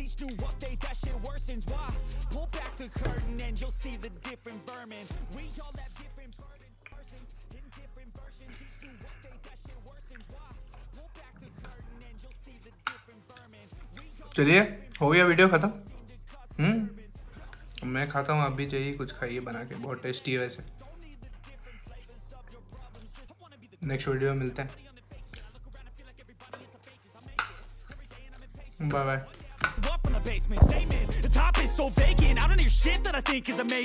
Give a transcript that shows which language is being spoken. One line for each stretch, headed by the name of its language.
English: Each new update, that shit worsens. Why? Pull back the curtain and you'll see the different vermin. We all have different burdens, persons in different versions. Each new update, that shit worsens. Why? Pull back the curtain and you'll see the different vermin.
Hindi: चलिए हो गया video खत्म। मैं खाता हूँ, आप भी चाहिए कुछ खाइए बना के, बहुत टेस्टी है वैसे। नेक्स्ट वीडियो में मिलते हैं।
English: Bye bye. Up from the basement, statement. The top is so vacant. I don't hear shit that I think is amazing.